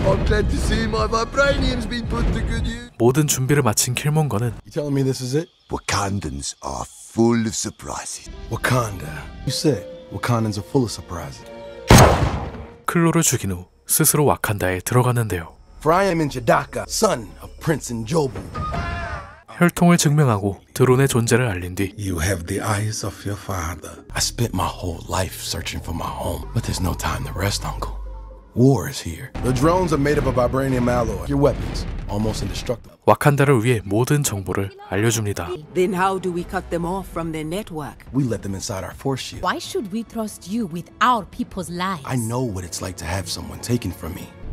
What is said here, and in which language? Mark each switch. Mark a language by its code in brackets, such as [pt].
[en] Glad to see my vibranium's been put to good use. [ko] 모든 준비를 마친 킬몽거는 [en] You telling me this is it? Wakandans are full of surprises. Wakanda. You said Wakandans are full of surprises. [ko] 클로를 죽인 후 스스로 와칸다에 들어갔는데요. [en] Fryam and Jadaka, son of Prince Njobu. [ko] 혈통을 증명하고 드론의 존재를 알린 뒤 [en] You have the eyes of your father. I spent my whole life searching for my home, but there's no time to rest, uncle. War is here. The drones are made of a vibranium alloy. Your weapons almost indestructible. [ko] 와칸다를 위해 모든 정보를 알려줍니다. [en] Then how do we cut them off from their network? We let them inside our force shield. Why should we trust you with our people's lives? I know what it's like to have someone taken from me.